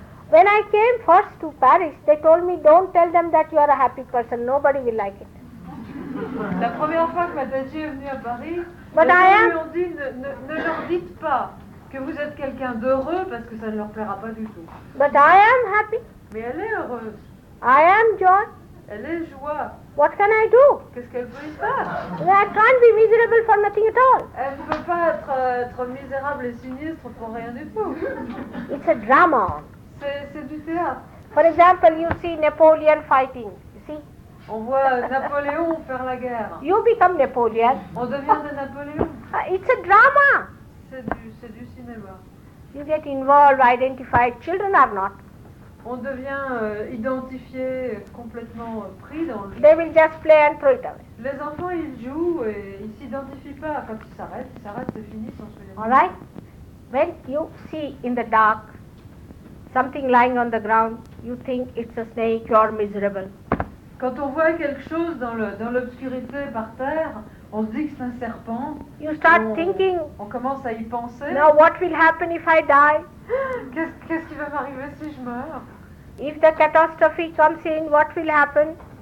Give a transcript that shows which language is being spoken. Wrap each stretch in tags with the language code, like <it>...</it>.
<en>When I came first to Paris, they told me, don't tell them that you are a happy person, nobody will like it.</en> <fr>La première fois que Mataji est venue à Paris,</fr> <en>but</en> <fr>les</fr> <en>I</en> <fr>gens</fr> <en>am...</en> <fr>lui ont dit, ne leur dites pas que vous êtes quelqu'un d'heureux, parce que ça ne leur plaira pas du tout.</fr> <en>But I am happy.</en> <fr>Mais elle est heureuse.</fr> <en>I am joy.</en> <fr>Elle est joie.</fr> <en>What can I do?</en> <fr>Qu'est-ce qu'elle peut y faire?</fr> <en>Well, I can't be miserable for nothing at all.</en> <fr>Elle ne peut pas être misérable et sinistre pour rien du tout.</fr> <en>It's a drama.</en> <fr>C'est du théâtre.</fr> <en>For example, you see Napoleon fighting, you see?</en> <fr>On voit Napoléon faire la guerre.</fr> <en>You become Napoleon.</en> <fr>On devient de Napoléon.</fr> <en>It's a drama.</en> <fr>C'est du cinéma.</fr> <en>You get involved, identified, children are not.</en> <fr>On devient identifié, complètement pris dans le jeu.</fr> <en>They will just play and throw it away.</en> <fr>Les enfants, ils jouent et ils ne s'identifient pas. Quand ils s'arrêtent, c'est fini, sans se lever. Alright?</fr> <en>When you see in the dark, something lying on the ground, you think it's a snake, you're miserable.</en> <fr>Quand on voit quelque chose dans l'obscurité par terre, on se dit que c'est un serpent.</fr> <en>You start thinking.</en> <fr>On commence à y penser.</fr> <en>Now what will happen if I die?</en> <fr>Qu'est-ce qui va m'arriver si je meurs?</fr> <en>If the catastrophe comes in, what will happen?</en>